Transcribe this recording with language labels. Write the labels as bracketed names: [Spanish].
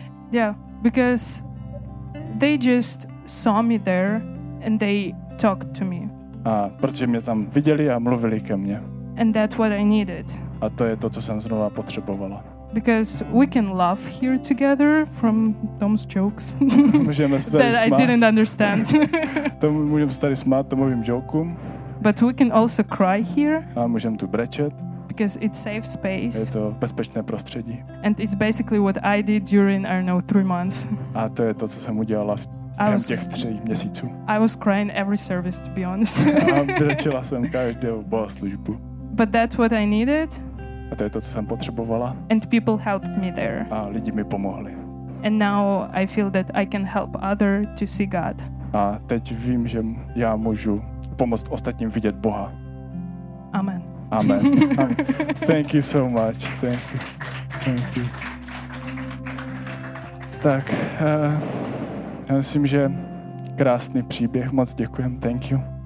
[English] Yeah, because they just saw me there and they talked to me. [Czech] A protože mě tam viděli a mluvili ke mně. [English] And that's what I needed. [Czech] A to je to, co jsem zrovna potřebovala. [English] Because we can laugh here together from Tom's jokes. [Czech] Můžeme se tady [English] that [Czech] smát. [English] I didn't understand. [Czech] Můžeme se tady smát Tomovým jokům. [English] But we can also cry here. [Czech] A můžeme tu brečet. [English] Because it's safe space. [Czech] Je to bezpečné prostředí. [English] And it's basically what I did during, I don't know, 3 months. [Czech] A to je to, co jsem udělala během těch 3 měsíců. [English] I was crying every service, to be honest. [Czech] A brečela jsem každou bohoslužbu. [English] But that's what I needed. [Czech] A to je to, co jsem potřebovala. [English] And people helped me there. [Czech] A lidi mi pomohli. [English] And now I feel that I can help others to see God. [Czech] A teď vím, že já můžu pomoct ostatním vidět Boha. [English] Amen. Amen. Amen. Thank you so much. Thank you. Thank you. [Czech] Tak, já myslím, že krásný příběh. Moc děkujem. [English] Thank you.